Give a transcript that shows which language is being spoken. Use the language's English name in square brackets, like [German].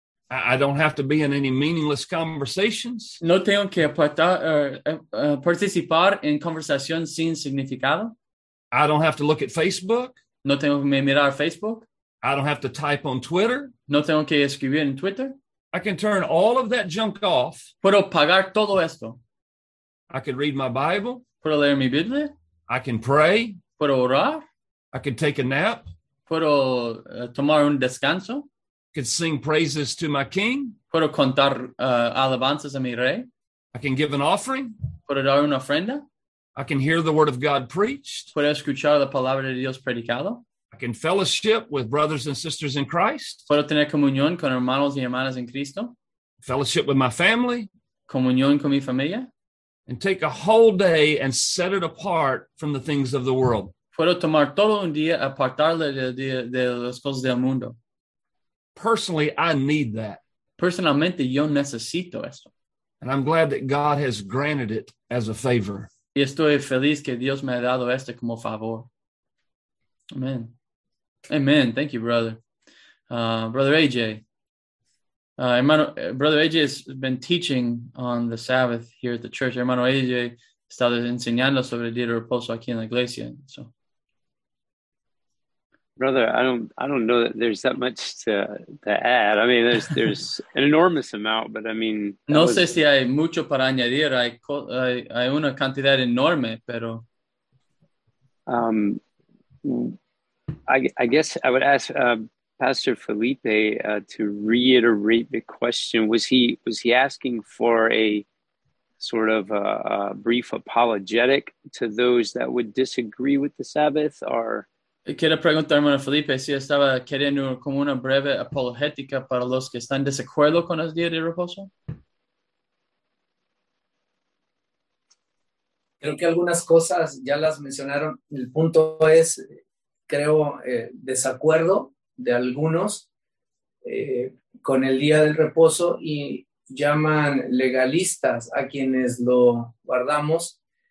[English] I don't have to be in any meaningless conversations. [Spanish] No tengo que participar en conversación sin significado. [English] I don't have to look at Facebook. [Spanish] No tengo que mirar Facebook. [English] I don't have to type on Twitter. [Spanish] No tengo que escribir en Twitter. [English] I can turn all of that junk off. [Spanish] Puedo pagar todo esto. [English] I can read my Bible. [Spanish] Puedo leer mi Biblia. [English] I can pray. [Spanish] Puedo orar. [English] I could take a nap. [Spanish] Puedo tomar un descanso. [English] Could sing praises to my king. [Spanish] Puedo contar alabanzas a mi rey. [English] I can give an offering. [Spanish] Puedo dar una ofrenda. [English] I can hear the word of God preached. [Spanish] Puedo escuchar la palabra de Dios predicado. [English] I can fellowship with brothers and sisters in Christ. [Spanish] Puedo tener comunión con hermanos y hermanas en Cristo. [English] Fellowship with my family. [Spanish] Comunión con mi familia. [English] And take a whole day and set it apart from the things of the world. [Spanish] Puedo tomar todo un día, apartarle de las cosas del mundo. [English] Personally, I need that. [Spanish] Personalmente, yo necesito esto. [English] And I'm glad that God has granted it as a favor. [Spanish] Y estoy feliz que Dios me ha dado este como favor. [English] Amen. Amen. Thank you, brother. Brother AJ. Hermano, Brother AJ has been teaching on the Sabbath here at the church. [Spanish] Hermano AJ está enseñando sobre el día de reposo aquí en la iglesia. [English] So. Brother, I don't know that there's that much to add. I mean, there's an enormous amount, but I mean, [Spanish] no sé si hay mucho para añadir. Hay una cantidad enorme, pero [English] I guess I would ask Pastor Felipe to reiterate the question. Was he asking for a sort of a brief apologetic to those that would disagree with the Sabbath? Or [Spanish] quiero preguntar, hermano Felipe, si estaba queriendo como una breve apologética para los que están desacuerdo con los días de reposo. Creo que algunas cosas ya las mencionaron. El punto es, creo, desacuerdo de algunos con el día del reposo y llaman legalistas a quienes lo guardamos.